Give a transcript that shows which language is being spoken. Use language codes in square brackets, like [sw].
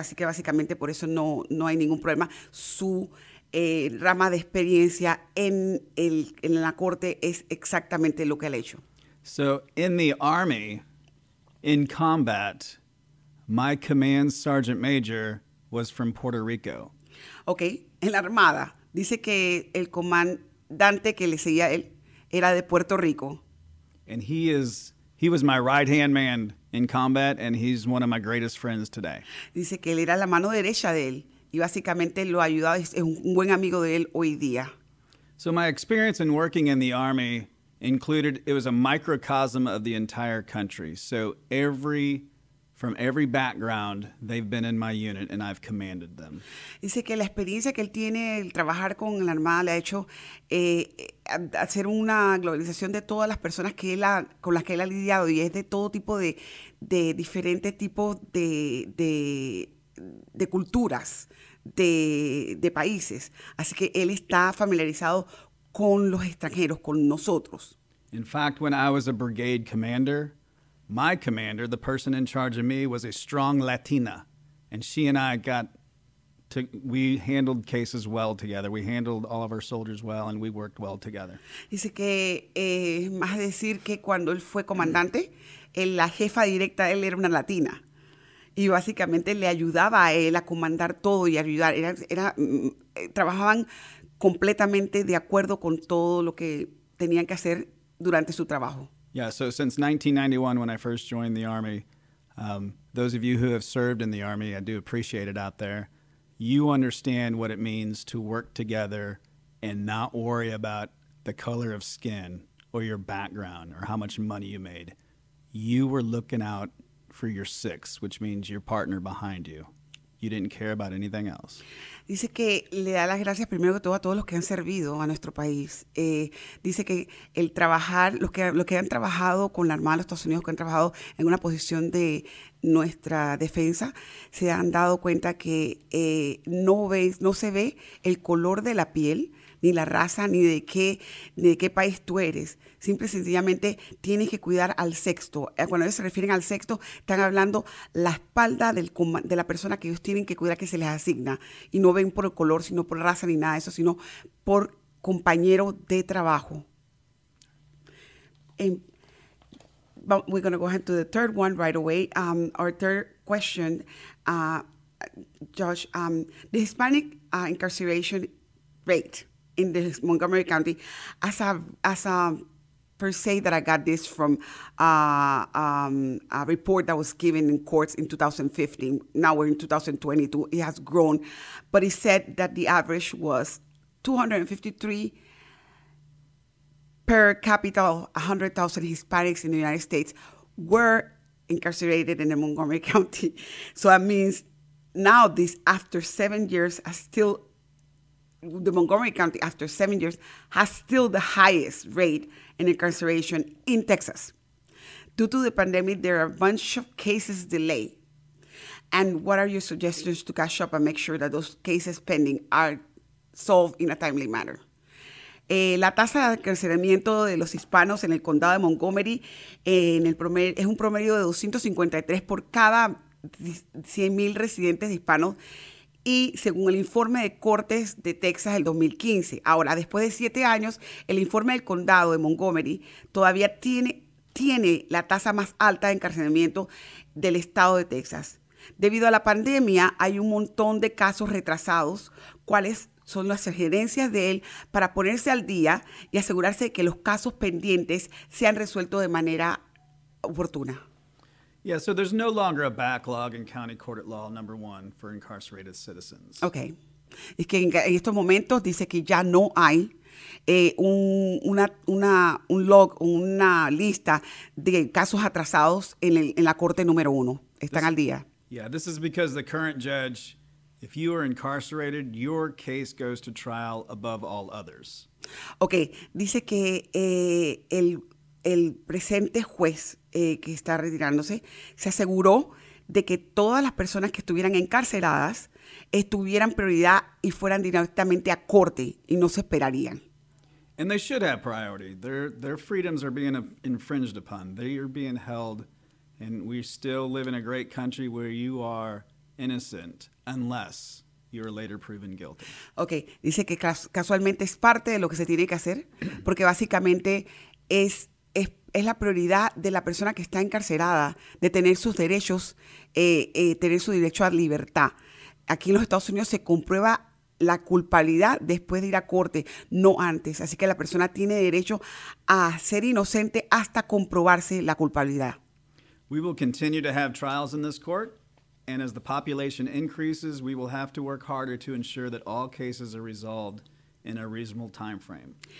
[es] Así que básicamente por eso no hay ningún problema. Su rama de experiencia en la corte es exactamente lo que ha hecho. [en] So, in the Army, in combat, my command sergeant major was from Puerto Rico. [es] Okay, en la Armada, dice que el comandante que le seguía él era de Puerto Rico. [en] And he was my right-hand man in combat, and he's one of my greatest friends today. [es] Dice que él era la mano derecha de él, y básicamente lo ayudaba, es un buen amigo de él hoy día. [en] So my experience in working in the Army included, it was a microcosm of the entire country. So from every background, they've been in my unit and I've commanded them. [es] Dice que la experiencia que él tiene el trabajar con la Armada le ha hecho hacer una globalización de todas las personas que él con las que él ha lidiado y es de todo tipo de diferentes tipos de culturas, de países. Así que él está familiarizado con los extranjeros, con nosotros. [en] In fact, when I was a brigade commander, my commander, the person in charge of me, was a strong Latina. And she and I we handled cases well together. We handled all of our soldiers well, and we worked well together. [es] Dice que, más decir que cuando él fue comandante, la jefa directa de él era una Latina. Y básicamente le ayudaba a él a comandar todo y ayudar. Trabajaban completamente de acuerdo con todo lo que tenían que hacer durante su trabajo. [en] Yeah, so since 1991, when I first joined the Army, those of you who have served in the Army, I do appreciate it out there. You understand what it means to work together and not worry about the color of skin or your background or how much money you made. You were looking out for your six, which means your partner behind you. You didn't care about anything else. [es] Dice que le da las gracias primero que todo a todos los que han servido a nuestro país. Dice que el trabajar, los que han trabajado con la Armada de los Estados Unidos, que han trabajado en una posición de nuestra defensa, se han dado cuenta que no se ve el color de la piel, ni la raza, ni de qué país tú eres. Simple y sencillamente tienes que cuidar al sexto. Cuando ellos se refieren al sexto, están hablando la espalda de la persona que ellos tienen que cuidar, que se les asigna. Y no ven por el color, sino por raza, ni nada de eso, sino por compañero de trabajo. [en] We're going to go ahead to the third one right away. Our third question, Josh, the Hispanic incarceration rate in this Montgomery County, as a per se that I got this from a report that was given in courts in 2015. Now we're in 2022. It has grown. But it said that the average was 253 per capita, 100,000 Hispanics in the United States were incarcerated in the Montgomery County. So that means now this, after 7 years, has still the highest rate in incarceration in Texas. Due to the pandemic, there are a bunch of cases delayed. And what are your suggestions to catch up and make sure that those cases pending are solved in a timely manner? [es] La tasa de encarcelamiento de los hispanos en el condado de Montgomery es un promedio de 253 por cada 100,000 residentes de hispanos y según el informe de Cortes de Texas del 2015. Ahora, después de 7 años, el informe del condado de Montgomery todavía tiene la tasa más alta de encarcelamiento del estado de Texas. Debido a la pandemia, hay un montón de casos retrasados. ¿Cuáles son las sugerencias de él para ponerse al día y asegurarse de que los casos pendientes sean resueltos de manera oportuna? [en] Yeah, so there's no longer a backlog in county court at law, number one, for incarcerated citizens. Okay. [es] Es que en estos momentos dice que ya no hay una lista de casos atrasados en la corte número uno. Están al día. [en] Yeah, this is because the current judge, if you are incarcerated, your case goes to trial above all others. [es] Okay, dice que el presente juez que está retirándose se aseguró de que todas las personas que estuvieran encarceladas tuvieran prioridad y fueran directamente a corte y no se esperarían. [en] And they should have priority. Their freedoms are being infringed upon. They are being held. And we still live in a great country where you are innocent unless you are later proven guilty. [es] Okay, dice que casualmente es parte de lo que se tiene que hacer, porque básicamente es la prioridad de la persona que está encarcelada de tener sus derechos, tener su derecho a libertad. Aquí en los Estados Unidos se comprueba la culpabilidad después de ir a corte, no antes. Así que la persona tiene derecho a ser inocente hasta comprobarse la culpabilidad. [en] We will continue to have trials in this court, and as the population increases, we will have to work harder to ensure that all cases are resolved in a reasonable time frame.